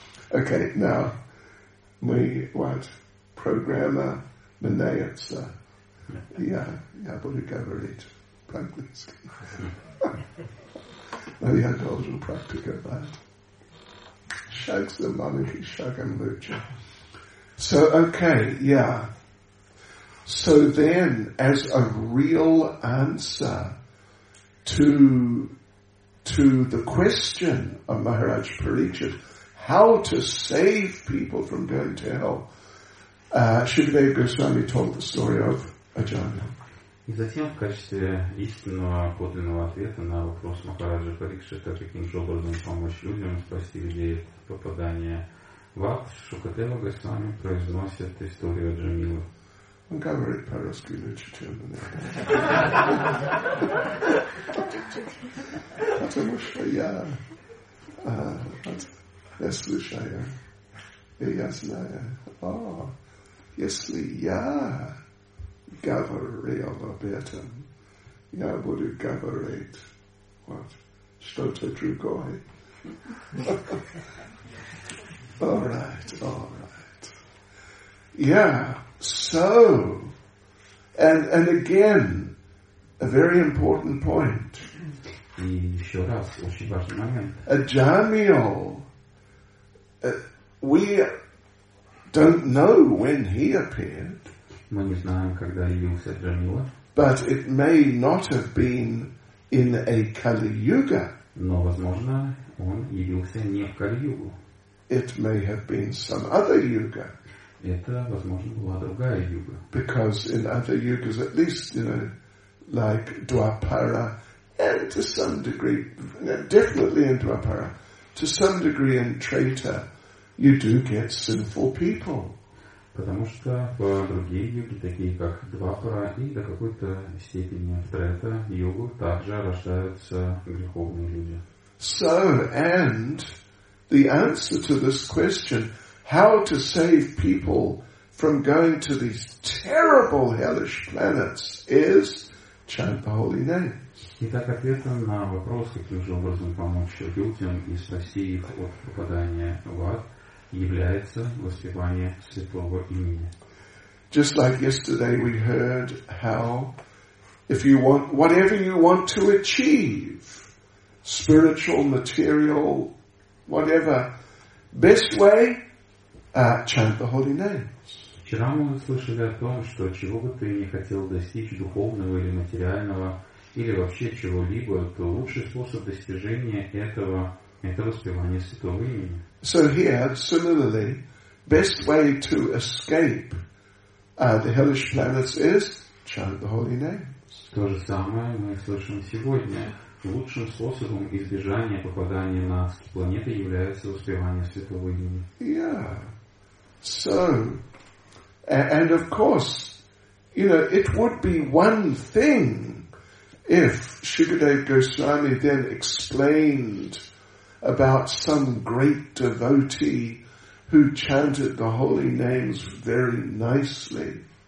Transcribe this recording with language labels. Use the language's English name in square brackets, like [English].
[English] Okay, now, [Russian] мы, [English] what, [Russian] программа меняется. Я буду говорить по-английски. Но я должен практиковать. Шаг за маленький шагом лучше. [English] So, okay, yeah. So then, as a real answer to the question of Maharaj Parikshit, how to save people from going to hell, Shukadeva Goswami told the story of Ajahn. [Russian] И затем в качестве истинного подлинного ответа на вопрос Махараджа Парикшита, каким же образом помочь людям спасти людей от попадания в ад, Шукадева Госвами произносит историю Джамилы. Он говорит по-русски лучше, чем меня. Потому что я слушаю, и я знаю, о, если я говорил об этом, я буду говорить вот, что-то другое. [English] All right. Yeah, so, and again, a very important point. [Russian] И еще раз, очень важный момент. [English] Ajamil, we don't know when he appeared. [Russian] Мы не знаем, когда явился Ajamil. [English] But it may not have been in a Kali Yuga. [Russian] Но, возможно, он явился не в Kali Yuga. [English] It may have been some other yuga. [Russian] Это, возможно, была другая юга. [English] Because in other yugas, at least, you know, like Dwapara, and to some degree, definitely in Dwapara, to some degree in Treta, you do get sinful people. [Russian] Потому что в другие юги, такие как Двапара и до какой-то степени Трета югу, также рождаются греховные люди. [English] So, and the answer to this question, how to save people from going to these terrible hellish planets, is chant the holy names. [Russian] Итак, ответ на вопрос, каким же образом помочь людям и спасти их от попадания в ад, является воспевание святого имени. [English] Just like yesterday we heard how if you want whatever you want to achieve, spiritual, material, whatever, best way, chant the holy names. [Russian] Вчера мы услышали о том, что чего бы ты ни хотел достичь, духовного или материального, или вообще чего-либо, то лучший способ достижения этого – это воспевание святого имени. [English] So here, similarly, best way to escape the hellish planets is chant the holy names. [Russian] То же самое мы слышим сегодня. Лучшим способом избежания попадания на адские планеты является воспевание святого имени. [English] Yeah. So, and of course, you know, it would be one thing if Shukadeva Goswami then explained about some great devotee who chanted the holy names very nicely.